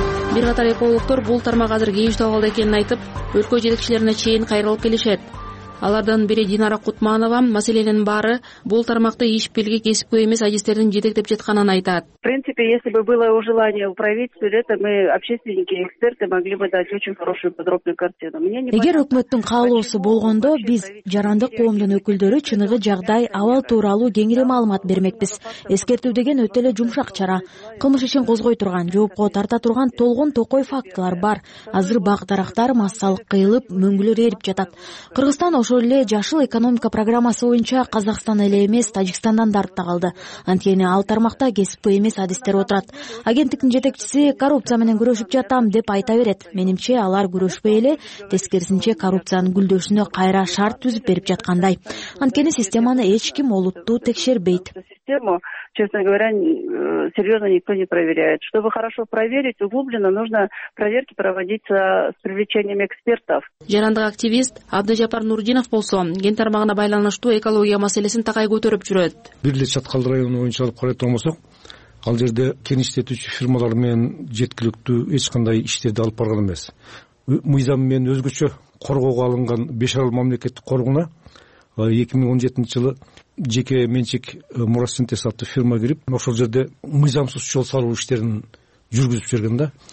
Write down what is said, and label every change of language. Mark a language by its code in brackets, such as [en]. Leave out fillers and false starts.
[ky] Бир катар экологдор бул тармак азыр кеңештүү абалда экенин айтып, өлкө жетекчилерине чейин кайрылып келишет. Алардын бири Динара Кутманова маселенин баары бул тармакты иш белги кесипке эмес адистердин жетектеп жатканын айтат. [ru] В принципе, если бы было желание у правительства, то мы общественники, эксперты могли бы дать очень хорошую подробную картину. [ky] Эгер өкмөттүн каалоосу болгондо, биз жарандык коомдун өкүлдөрү чыныгы жагдай, абал тууралуу кеңири маалымат бермекпиз. Эскертүү деген өтө эле жумшак чара. Кылмыш ишин козгой турган, жоопко тарта турган толгон токой фактылар бар. Азыр бак дарактар массалык кыйылып, мөңгүлөр эрип жатат. Кыргызстан ошол эле жашыл экономика программасы боюнча Казакстан эле эмес, Тажикстандан да артта калды. Анткени ал тармакта кесипкөй эмес адистер отурат. Агенттиктин жетекчиси коррупция менен күрөшүп жатам деп айта берет. Менимче алар күрөшпөй эле, тескерисинче коррупциянын гүлдөшүнө кайра шарт түзүп берип жаткандай. Анткени системаны эч ким олуттуу текшербейт. [ru] Честно говоря, серьезно никто не проверяет. Чтобы хорошо проверить, углубленно нужно проверки проводить с привлечением экспертов. [ky] Жарандык активист Абдыжапар Нурдинов болсо, кен тармагына байланыштуу экология маселесин такай көтөрүп жүрөт. Бир эле Чаткал району боюнча алып карай турган болсок, ал жерде кен иштетүүчү фирмалар менен жеткиликтүү эч кандай иштерди алып барган эмес. Мыйзам менен өзгөчө коргоого алынган Беш Арал мамлекеттик коргуна 2017 жылы жеке менчик Муросинтез аттуу фирма кирип, ошол жерде мыйзамсыз жол салуу иштерин жүргүзүп жиберген да.